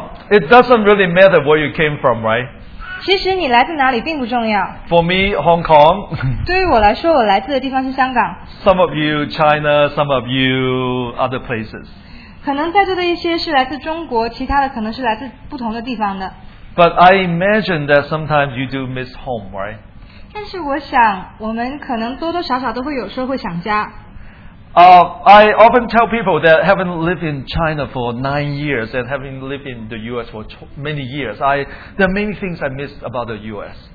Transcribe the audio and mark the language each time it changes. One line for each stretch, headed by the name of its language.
English: It doesn't really matter where you came from, right?
Chinese: 其实你来自哪里并不重要。
English: For me, Hong Kong.
Chinese: 对于我来说，我来自的地方是香港。
English: Some of you China, some of you other places.
Chinese: 可能在座的一些是来自中国，其他的可能是来自不同的地方的。
English: But I imagine that sometimes you do miss home, right?
Chinese: 但是我想，我们可能多多少少都会有时候会想家。
English: I often tell people that having lived in China for 9 years and having lived in the U.S. for many years, there are many things I miss about the U.S.